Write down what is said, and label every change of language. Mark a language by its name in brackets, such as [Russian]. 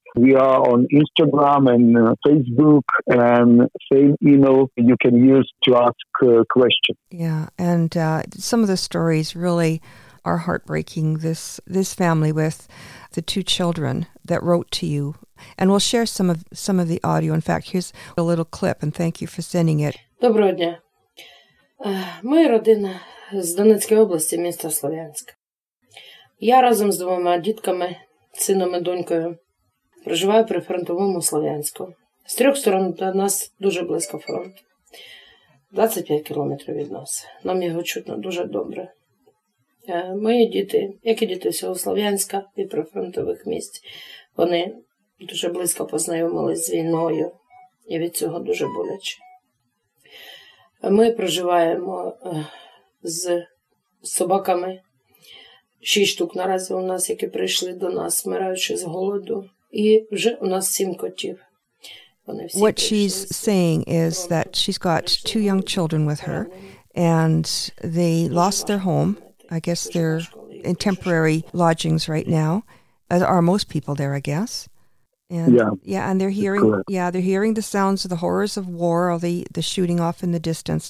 [English] We are on Instagram and Facebook, and same email you can use to ask questions. Yeah, and some of the stories really are heartbreaking. This family with the two children that wrote to you. And we'll share some of the audio. In fact, here's a little clip, and thank you for sending it. [Ukrainian] Доброго дня. Ми родина з Донецької області, міста Слов'янськ. Я разом з двома дітками, сином і донькою, проживаю при фронтовому Слов'янську. З трьох сторон до нас дуже близько фронт. 25 кілометрів від нас. Нам його чутно дуже добре. Мої діти, як і діти всього Слов'янська і прифронтових місць, вони дуже близько познайомились з війною і від цього дуже боляче. Ми проживаємо з собаками. 6 штук наразі у нас, які прийшли до нас, вмираючи з голоду. І вже у нас 7 котів. Вони всі. [English] What she's saying is that she's got two young children with her, and they lost their home. I guess they're in temporary lodgings right now, as are most people there, I guess. And, and they're hearing the sounds of the horrors of war, or the shooting off in the distance.